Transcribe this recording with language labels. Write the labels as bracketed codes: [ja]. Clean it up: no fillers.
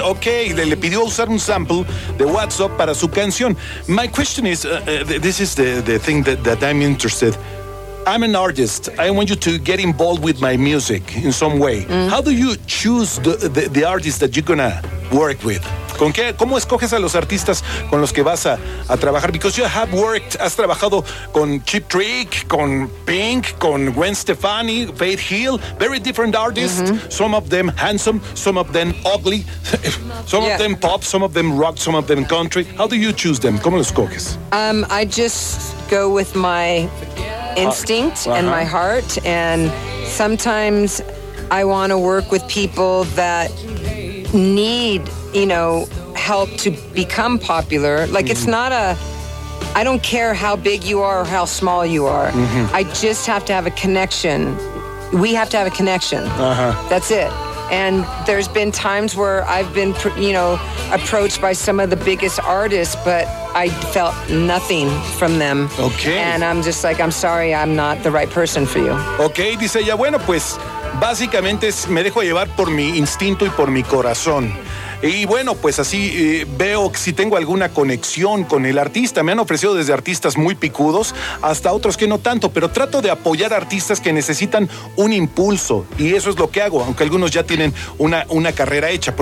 [es] Okay, le pidió usar un sample de WhatsApp para su canción. [en] My question is, this is the thing that I'm interested. I'm an artist. I want you to get involved with my music in some way. Mm-hmm. How do you choose the artist that you're going to work with? [es] ¿Cómo escoges a los artistas con los que vas a trabajar? [en] Because you have worked, [es] has trabajado con Cheap Trick, con Pink, con Gwen Stefani, [en] Faith Hill, very different artists, mm-hmm. Some of them handsome, some of them ugly, some of them pop, some of them rock, some of them country. How do you choose them? [es] ¿Cómo los escoges? [en] I just go with my instinct and my heart, and sometimes I want to work with people that need, you know, help to become popular. Like, mm-hmm. It's not I don't care how big you are or how small you are. Mm-hmm. I just have to have a connection. We have to have a connection. Uh-huh. That's it. And there's been times where I've been, you know, approached by some of the biggest artists, but I felt nothing from them. Okay. And I'm just like, I'm sorry, I'm not the right person for you. [es] Okay, dice ella, bueno, pues, básicamente me dejo llevar por mi instinto y por mi corazón. Y bueno, pues así veo si tengo alguna conexión con el artista. Me han ofrecido desde artistas muy picudos hasta otros que no tanto, pero trato de apoyar artistas que necesitan un impulso, y eso es lo que hago, aunque algunos ya tienen una carrera hecha.